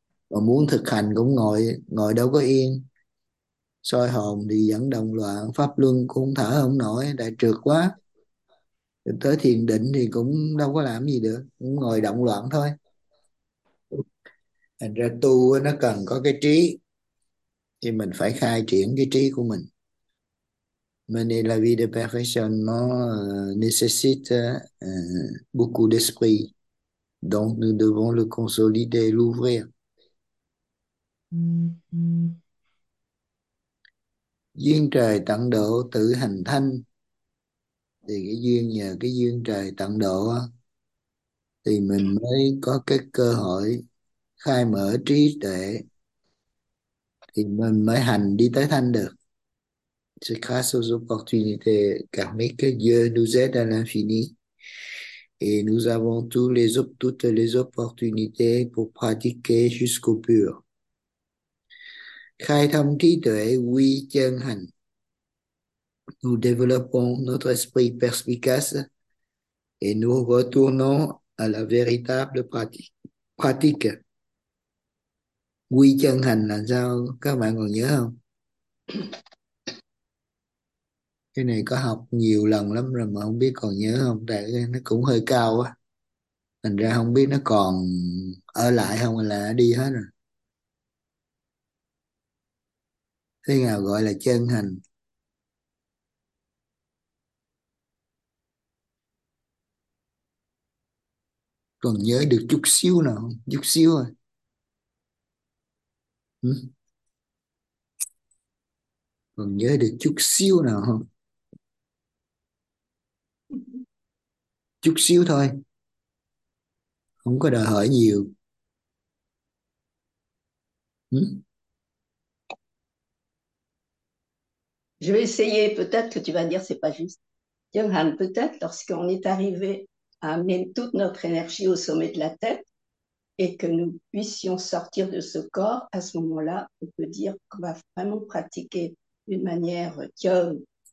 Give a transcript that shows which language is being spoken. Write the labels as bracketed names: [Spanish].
[Vietnamese] Mà muốn thực hành cũng ngồi, ngồi đâu có yên, soi hồn thì vẫn động loạn, pháp luân cũng thở không nổi, đại trược quá. Tới thiền định thì cũng đâu có làm gì được, cũng ngồi động loạn thôi. Thành ra tu nó cần có cái trí, thì mình phải khai triển cái trí của mình. [French] Mais la vie de perfectionnement nécessite beaucoup d'esprit. Donc nous devons le consolider, l'ouvrir. [Vietnamese] Duyên trời tận độ tự hành thanh, thì cái duyên, nhờ cái duyên trời tận độ thì mình mới có cái cơ hội khai mở trí tuệ, thì mình mới hành đi tới thanh được. [French] C'est grâce aux opportunités karmiques que Dieu nous aide à l'infini. Et nous avons toutes les opportunités pour pratiquer jusqu'au pur. [Vietnamese] Khai thông trí tuệ quy chân hành. [French] Nous développons notre esprit perspicace et nous retournons à la véritable pratique. Pratique. [Vietnamese] Quy chân hành là sao? Các bạn còn nhớ không? Cái này có học nhiều lần lắm rồi mà không biết còn nhớ không? Tại nó cũng hơi cao á. Thành ra không biết nó còn ở lại không hay là đi hết rồi. Thế nào gọi là chân hành? Còn nhớ được chút xíu nào không? Chút xíu thôi. Còn nhớ được chút xíu nào không? Chút xíu thôi, không có đòi hỏi nhiều. [French] Je vais essayer, peut-être que tu vas dire que ce n'est pas juste. Chân hành, peut-être lorsqu'on est arrivé à amener toute notre énergie au sommet de la tête et que nous puissions sortir de ce corps, à ce moment-là, on peut dire qu'on va vraiment pratiquer d'une manière chân.